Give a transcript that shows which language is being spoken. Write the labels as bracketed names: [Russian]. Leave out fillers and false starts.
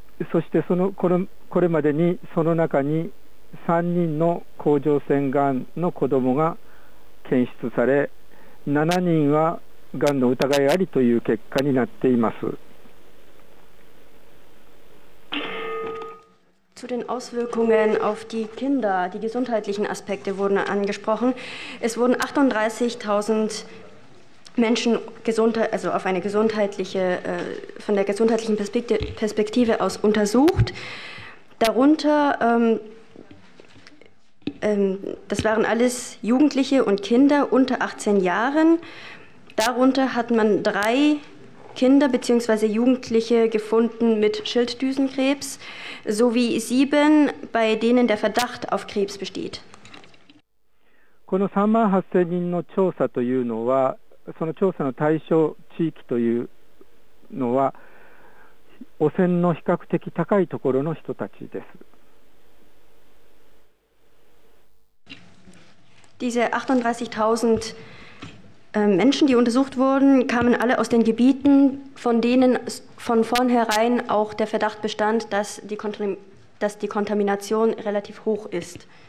[Japanese] そしてこれまでにその中に3人の甲状腺がんの子どもが検出され、 7人はがんの疑いありという結果になっています。 [German] Zu den Auswirkungen auf die Kinder, die gesundheitlichen Aspekte wurden angesprochen. Es wurden 38.000 Menschen also auf eine gesundheitliche, von der gesundheitlichen Perspektive aus untersucht. Darunter, das waren alles Jugendliche und Kinder unter 18 Jahren. Darunter hat man 3 Kinder bzw. Jugendliche gefunden mit Schilddrüsenkrebs, sowie 7, bei denen der Verdacht auf Krebs besteht. [Japanese] この 38,000人の調査というのは、 その調査の対象地域というのは汚染の比較的高いところの人たちです。 [German] Diese 38.000 Menschen, die untersucht wurden, kamen alle aus den Gebieten, von denen von vornherein auch der Verdacht bestand, dass die Kontamination relativ hoch ist.